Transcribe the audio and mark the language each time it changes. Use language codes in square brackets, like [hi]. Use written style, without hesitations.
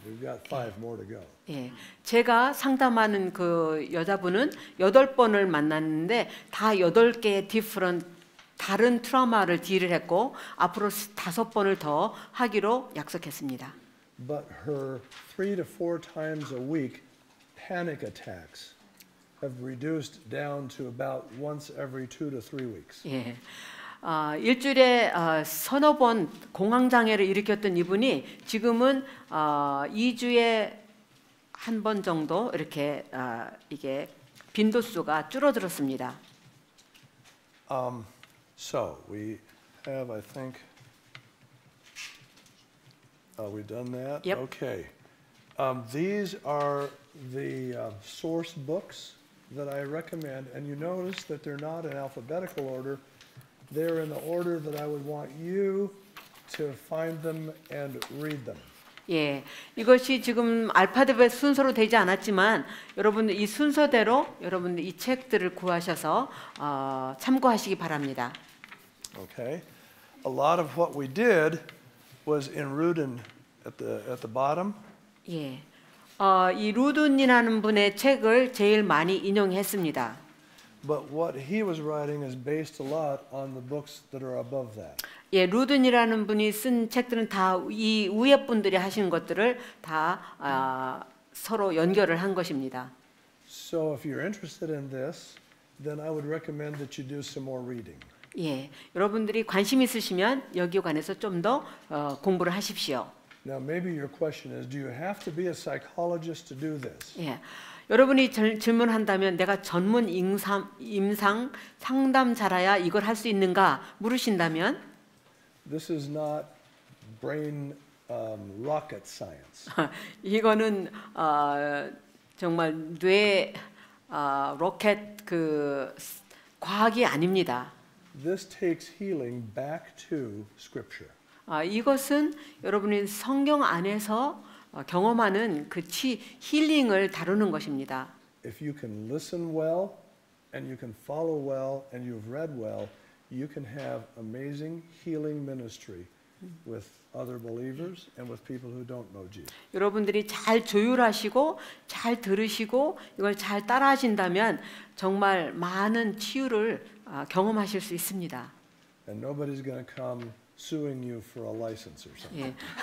[en] We've got 5 more to go. [ko] 예. 제가 상담하는 그 여자분은 8번을 만났는데 다 8개의 different 다른 트라우마를 딜을 했고 앞으로 5번을 더 하기로 약속했습니다. [en] But her 3 to 4 times a week panic attacks have reduced down to about once every 2 to 3 weeks. [ko] 예. 일주일에 서너 번 공황장애를 일으켰던 이분이 지금은 2주에 한 번 정도 이렇게 이게 빈도수가 줄어들었습니다. [en] So we have, I think, we done that? Yep. Okay. These are the source books that I recommend, and you notice that they're not in alphabetical order. They're in the order that I would want you to find them and read them. [ko] 예, 이것이 지금 알파벳 순서로 되지 않았지만 여러분들 이 순서대로 여러분들 이 책들을 구하셔서 참고하시기 바랍니다. [en] Okay. A lot of what we did was in Rudin at the bottom. [ko] 예. 이 루든이라는 분의 책을 제일 많이 인용했습니다. [en] But what he was writing is based a lot on the books that are above that. [ko] 예, 루든이라는 분이 쓴 책들은 다 이 위에 분들이 하신 것들을 다 서로 연결을 한 것입니다. [en] So if you're interested in this, then I would recommend that you do some more reading. [ko] 예, 여러분들이 관심 있으시면 여기에 관해서 좀 더 공부를 하십시오. [en] Now maybe your question is, do you have to be a psychologist to do this? [ko] 예. 여러분이 질문한다면 내가 전문 임상 상담자라야 이걸 할 수 있는가 물으신다면 [en] This is not brain rocket science. [ko] 이거는 정말 뇌 로켓 그 과학이 아닙니다. [en] This takes healing back to scripture. [ko] 이것은 여러분이 성경 안에서 경험하는 그 치 힐링을 다루는 것입니다. [en] If you can listen well and you can follow well and you've read well, you can have amazing healing ministry with other believers and with people who don't know Jesus. [ko] 여러분들이 잘 조율하시고 잘 들으시고 이걸 잘 따라하신다면 정말 많은 치유를 경험하실 수 있습니다. [en] And nobody's going to come suing you for a license or something.